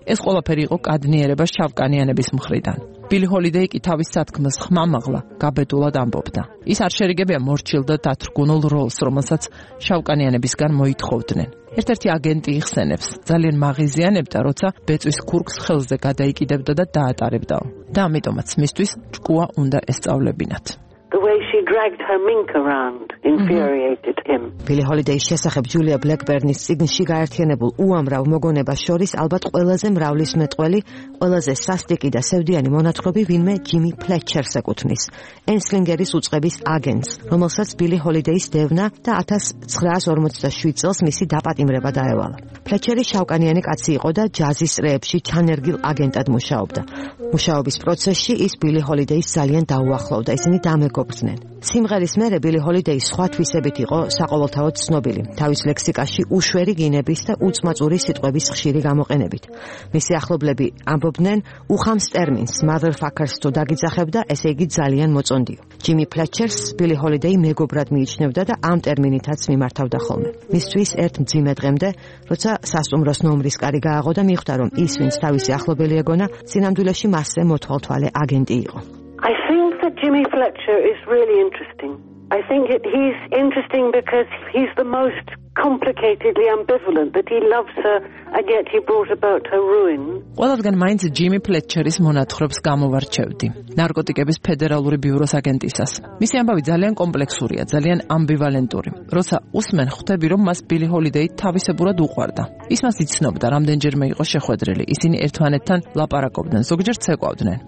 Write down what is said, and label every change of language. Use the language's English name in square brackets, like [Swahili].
[Georgian] ეს ყველაფერი იყო კადნიერება შავკანიანების მხრიდან. ბილი ჰოლიდეი კი თავის სათქმელს ხმამაღლა გაბედულად ამბობდა. ის არ შერიგებია მორჩილდა დათრგუნულ როლს, რომელსაც შავკანიანებისგან მოითხოვდნენ. ერთ-ერთი აგენტი იხსენებს, ძალიან მაღიზიანებდა, როცა ბეწვის ქურკს ხელზე გადაიკიდებდა და დაატარებდაო. და ამიტომაც მისთვის ჭკუა უნდა ესწავლებინათ. [English] The way she dragged her mink around infuriated him. [Georgian] Billie Holiday-ის შესახებ ჯულია ბლეკბერნის წიგნში გაერთიანებულ უამრავ მოგონებას შორის ალბათ ყველაზე მრავლისმეტყველი, ყველაზე სასტიკი და სევდიანი მონათხრობი ვინმე ჯიმი ფლეტჩერს ეკუთვნის. ენსლინგერის უწყების აგენტს, რომელსაც Billie Holiday-ის დევნა და 1947 წელს მისი დაპატიმრება დაევალა. ფლეტჩერი შავკანიანი კაცი იყო და ჯაზის რეებში ჩანერგილ აგენტად მუშაობდა. მუშაობის პროცესში ის Billie Holiday-ის ძალიან დაუახლოვდა, ისინი მეკობრდნენ. სიმღერის მერე ბილი ჰოლიდეი სხვა თვისებით იყო საყოველთაოდ ცნობილი, თავის ლექსიკაში უშვერი გინების და უწმაწური სიტყვების ხშირი გამოყენებით. მისი ახლობლები ამბობდნენ: უხამს ტერმინს motherfuckers თუ დაგიძახებ და ესე იგი ძალიან მოწონდიო. ჯიმი ფლეტჩერს ბილი ჰოლიდეი მეგობრად მიიჩნევდა და ამ ტერმინითაც მიმართავდა ხოლმე. მისთვის ერთ მძიმე დღემდე, როცა სასტუმროს ნომრის კარი გააღო და მიხვდა, რომ ის, ვინც თავისი ახლობელი ეგონა, სინამდვილეში მასზე მოთვალთვალე აგენტი იყო. [English] I think that Jimmy Fletcher is really interesting. I think he's interesting because he's the most complicatedly ambivalent, that he loves her and yet he brought about her ruin. [Georgian] ყველაზე მაინც ჯიმი ფლეტჩერის მონათხრობს გამოვარჩევდი. ნარკოტიკების ფედერალური ბიუროს აგენტისას. მისი ამბავი ძალიან კომპლექსურია, ძალიან ამბივალენტური. როცა უსმენ, ხვდები, რომ მას ბილი ჰოლიდეი თავისებურად უყვარდა. ის მას იცნობდა, რამდენჯერმე იყო შეხვედრილი. ისინი ერთმანეთთან ლაპარაკობდნენ, ზოგჯერ ცეკვავდნენ.